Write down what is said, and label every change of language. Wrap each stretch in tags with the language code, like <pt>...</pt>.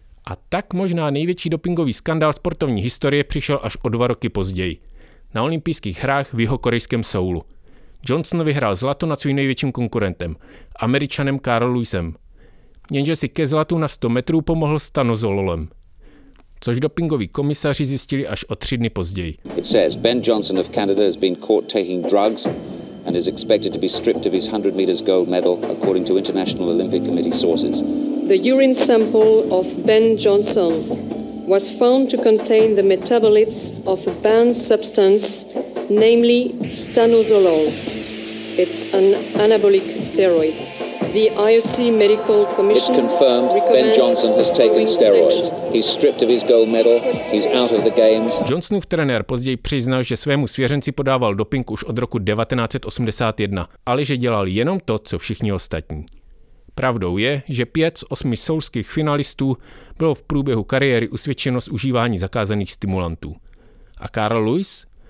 <cs>A tak možná největší dopingový skandál sportovní historie přišel až o 2 roky později. Na olympijských hrách v jihokorejském Soulu. Johnson vyhrál zlato nad svým největším konkurentem, Američanem Carl Lewisem. Jenže si ke zlatu na 100 metrů pomohl stanozololem. Což dopingoví komisaři zjistili až o 3 dny později.</cs> <en>It says Ben Johnson of Canada has been caught taking drugs and is expected to be stripped of his 100 meters gold medal, according to International Olympic Committee sources. The urine sample of Ben Johnson was found to contain the metabolites of a banned substance, namely stanozolol. It's an anabolic steroid. The IOC Medical Commission. It's confirmed Ben Johnson has taken steroids. He's stripped of his gold medal. He's out of the games.</en> <cs>Johnsonův trenér později přiznal, že svému svěřenci podával doping už od roku 1981, ale že dělal jenom to, co všichni ostatní. Pravdou je, že 5 z 8 soulských finalistů bylo v průběhu kariéry usvědčeno z užívání zakázaných stimulantů. A Carl Lewis?</cs>